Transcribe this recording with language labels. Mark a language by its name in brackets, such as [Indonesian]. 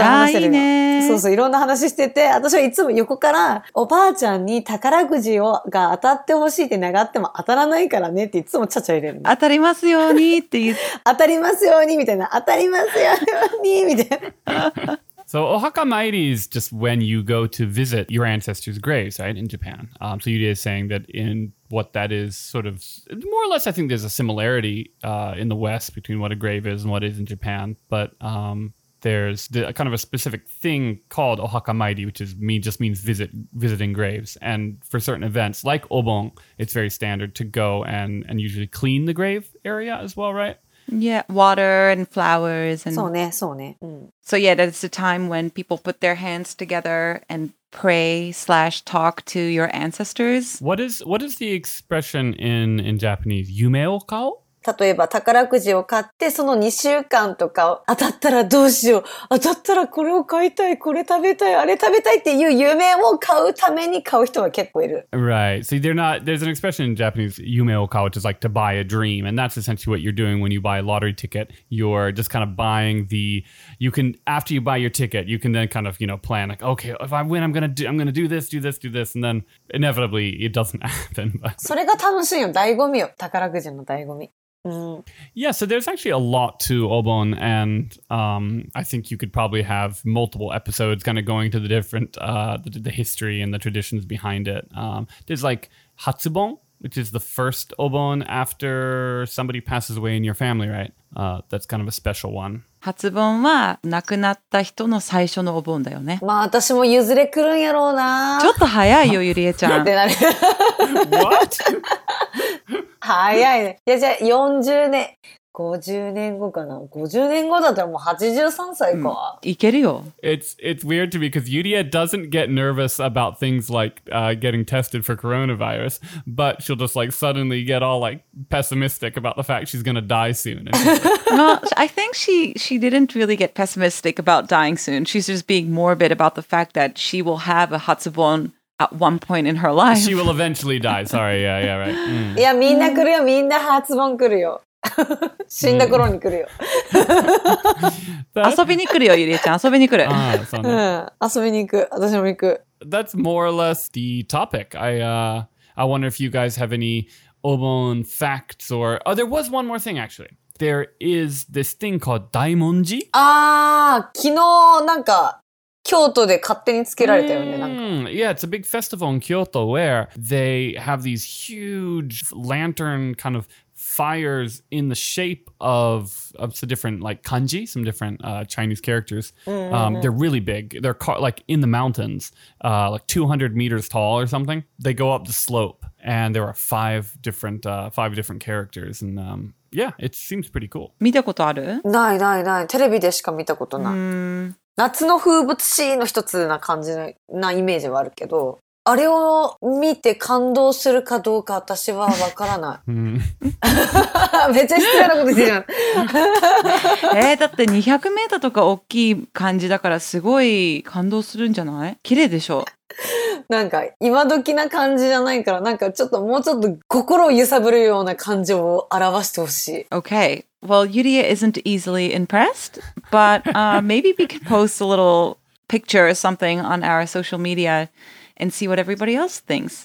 [Japanese] 話せるの。いいね。そうそう、いろんな話してて、私はいつも横から、おばあちゃんに宝くじをが当たってほしいって願っても当たらないからねっていつもちゃちゃ入れるの。当たりますようにって言う。当たりますようにみたいな。当たりますようにみたいな。 [English] So, お墓参りis just when you go to visit your ancestors' graves, right, in Japan. So, Yuria is saying that in what that is sort of, more or less, I think there's a similarity in the West between what a grave is and what it is in Japan. But there's a kind of a specific thing called お墓参り, which is, just means visiting graves. And for certain events, like Obon, it's very standard to go and usually clean the grave area as well, right? Yeah, water and flowers. And... [Japanese] そうね、そうね。うん、 [English] so yeah, that's the time when people put their hands together and pray/talk to your ancestors. What is the expression in Japanese? 夢を買う？ [Japanese] 例えば宝くじを買ってその2週間とか当たったらどうしよう。当たったらこれを買いたい、これ食べたい、あれ食べたいっていう夢を買うために買う人は結構いる。 [English] Right. See, there's an expression in Japanese, 夢を買う, which is like to buy a dream. And that's essentially what you're doing when you buy a lottery ticket. You're just kind of buying the, you can, after you buy your ticket, you can then kind of, you know, plan like, okay, if I win, I'm gonna do this. And then inevitably it doesn't happen. But... [Japanese] それが楽しいよ。醍醐味よ。宝くじの醍醐味。 [English] Yeah, so there's actually a lot to Obon, and I think you could probably have multiple episodes kind of going to the different, the history and the traditions behind it. There's like Hatsubon, which is the first Obon after somebody passes away in your family, right? That's kind of a special one. [Japanese] Hatsubon は亡くなった人の最初のお盆だよね。まあ私も譲れくるんやろうな。ちょっと早いよ、ゆりえちゃん。 [English] What? [Japanese] 早いね。いや、じゃあ40年、50年後かな。 50年後だったらもう83歳か。うん、いけるよ。 [English] It's weird to me because Yuria doesn't get nervous about things like getting tested for coronavirus, but she'll just like suddenly get all like pessimistic about the fact she's gonna die soon. No, I think she didn't really get pessimistic about dying soon. She's just being morbid about the fact that she will have a Hatsubon. At one point in her life. She will eventually die. Sorry, yeah, yeah, right. [Japanese] Mm. Yeah, みんな来るよ。みんな発問来るよ。死んだ頃に来るよ。遊びに来るよ、ゆりえちゃん。遊びに来る。遊びに行く。私も行く。 [English] That's more or less the topic. I wonder if you guys have any Obon facts or... Oh, there was one more thing, actually. There is this thing called 大文字。 [Japanese] ああ、昨日なんか京都で勝手につけられたよね、なんか。 [English] Yeah, it's a big festival in Kyoto where they have these huge lantern kind of fires in the shape of some different like kanji, some different Chinese characters. They're really big. They're like in the mountains, like 200 meters tall or something. They go up the slope and there are five different characters. And yeah, it seems pretty cool. [Japanese] 見たことある？ないないない。テレビでしか見たことない。 Mm. 夏の風物詩の一つな感じなイメージはあるけど、あれを見て感動するかどうか私はわからない。めっちゃ失礼なこと言ってる。だって200メートルとか大きい感じだからすごい感動するんじゃない？綺麗でしょ？なんか今時な感じじゃないから、なんかちょっともうちょっと心を揺さぶるような感情を表してほしい。 [English] Okay, well, Yuria isn't easily impressed, but maybe we can post a little picture or something on our social media and see what everybody else thinks.